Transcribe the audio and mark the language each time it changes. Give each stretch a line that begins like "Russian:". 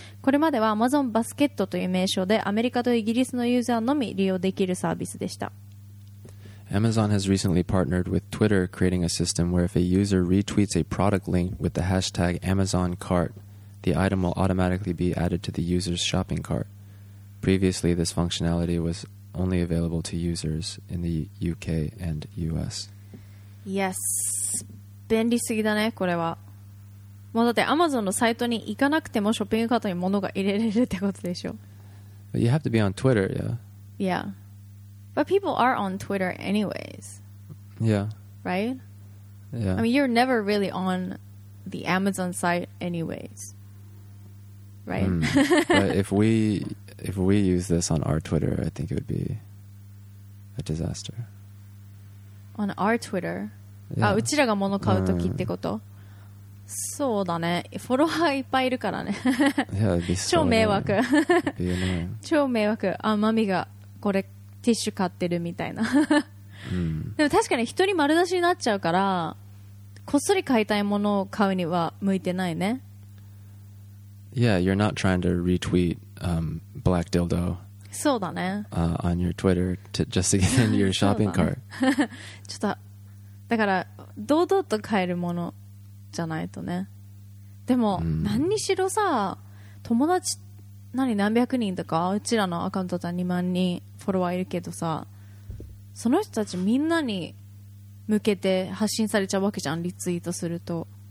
Japanese: これまでは Amazon バスケットという名称でアメリカとイギリスのユーザーのみ利用できるサービスでした。
English: Amazon has recently partnered with Twitter creating a system where if a user retweets a product link with the hashtag Amazon cart, the item will automatically be added to the user's shopping cart. Previously, this functionality wasOnly available to users in the UK and US.
Japanese: Yes. 便利すぎだね、これは。もうだってアマゾンのサイトに行かなくてもショッピングカートに物が入れれるってことでしょ。
English: But you have to be on Twitter, yeah. Yeah. But people are on Twitter anyways. Yeah. Right? Yeah. I mean, you're never really on the Amazon site anyways. Right? Mm. But if we use this on our Twitter, I think it would be a disaster. On our Twitter? Yeah.
Japanese: あ、うちらが物買うときってこと？そうだね。フォロワーいっぱいいるからね。超迷惑。超迷惑。あ、マミがこれティッシュ買ってるみたいな。 mm. でも確かに人に丸出しになっちゃうから、こっそり買いたいものを買うには向いてないね。
English: Yeah, you're not trying to retweet、Black Dildo.
Japanese: そうだね。
English: On your Twitter to just to get into your shopping、ね、cart.
Japanese: ちょっと、だから堂々と買えるもの。じゃないとね。でも、mm. 何にしろさ、友達何何百人とか、うちらのアカウントだと2万人フォロワーいるけどさ、その人たちみんなに向けて発信されちゃうわけじゃん、リツイートすると。